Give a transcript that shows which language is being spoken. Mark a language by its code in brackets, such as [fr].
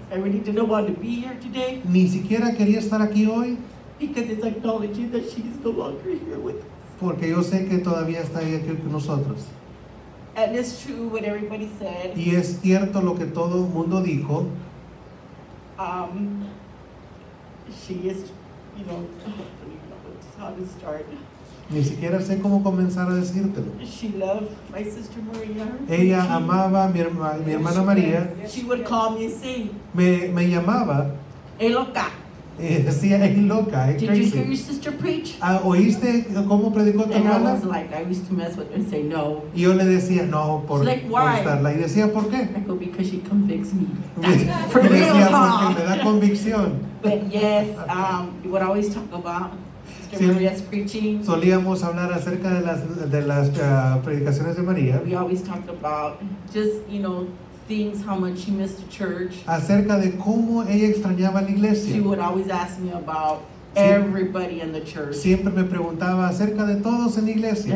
[en] I really didn't want to be here today. [es] Ni siquiera quería estar aquí hoy. [en] Because it's acknowledging that she's no longer here with me. [es] Porque yo sé que todavía está ahí aquí con nosotros. [en] And it's true what everybody said. [es] Y es cierto lo que todo el mundo dijo. [en] She is, you know, I don't even know how to start. [es] Ni siquiera sé cómo comenzar a decírtelo. [en] She loved my sister Maria. [es] Ella amaba a mi hermana [en] she [es] María. [en] She would call me and say, [es] me llamaba. [en] Hey, loca. [es] Decía, es loca, es crazy. [en] Did you hear your sister preach? [es] ¿Oíste cómo predicó tu hermana? [en] And I was like, I used to mess with her and say no. [es] Y yo le decía, no, por, [en] like, why? [es] Por estarla. Y decía, ¿por qué? [en] I go, because she convicts me. For real, [es] decía, huh? Porque me da convicción. [en] But yes, you would always talk about Sister Maria's preaching. [es] Solíamos hablar acerca de las predicaciones de María. [en] We always talked about just, you know, things, how much she missed the church. [es] Acerca de cómo ella extrañaba la iglesia. [en] She would always ask me about everybody in the church. [es] Siempre me preguntaba acerca de todos en la iglesia.